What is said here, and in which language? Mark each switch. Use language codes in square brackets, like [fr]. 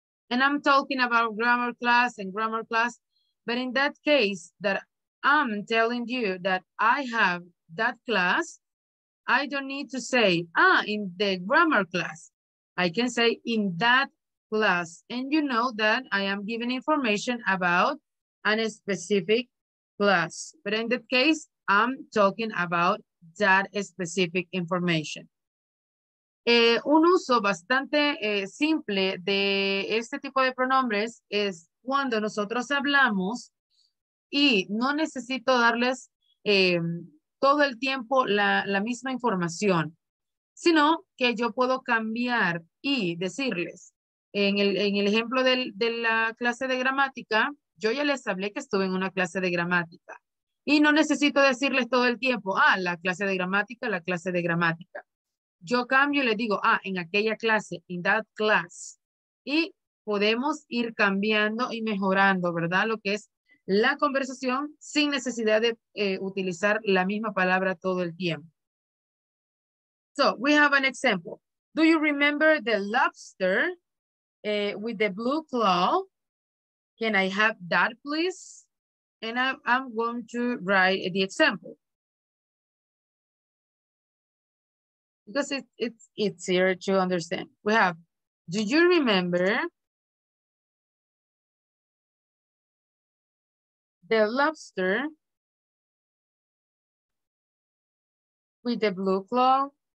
[en] And I'm talking about grammar class and grammar class, but in that case that I'm telling you that I have that class, I don't need to say, ah, in the grammar class. I can say in that class. And you know that I am giving information about a specific class. But in that case, I'm talking about that specific information. [es] Un uso bastante simple de este tipo de pronombres es cuando nosotros hablamos y no necesito darles todo el tiempo la misma información, sino que yo puedo cambiar y decirles. En el ejemplo de la clase de gramática, yo ya les hablé que estuve en una clase de gramática y no necesito decirles todo el tiempo, ah, la clase de gramática, la clase de gramática. Yo cambio y le digo, ah, en aquella clase, [en] in that class. [es] Y podemos ir cambiando y mejorando, ¿verdad? Lo que es la conversación sin necesidad de utilizar la misma palabra todo el tiempo. [en] So, we have an example. Do you remember the lobster with the blue claw? Can I have that, please? And I'm going to write the example. Because it's easier to understand. We have, do you remember the lobster with the blue claw?